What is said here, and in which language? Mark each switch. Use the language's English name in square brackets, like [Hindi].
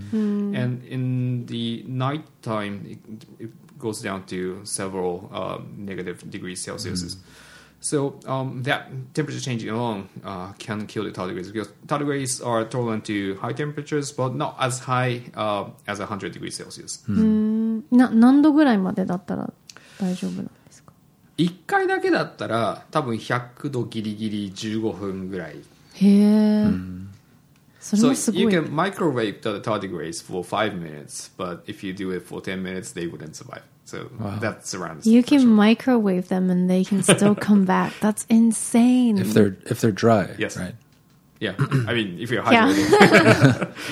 [English] And in the nighttime, it goes down to several negative degrees Celsius. So that temperature change alone can kill the tardigrades, because tardigrades are tolerant to high temperatures, but not as high as 100 degrees Celsius. [Japanese] な何度ぐらいまでだったら大丈夫なんですか？1回だけだったら多分100度ギリギリ15分ぐらい。へえ。 [English] So you can microwave the tardigrades for 5 minutes, but if you do it for 10 minutes, they wouldn't survive. So that's around. You can microwave them, and they can still come back. That's insane. If they're dry, yes, right. Yeah, I mean, if you're hydrated. Yeah.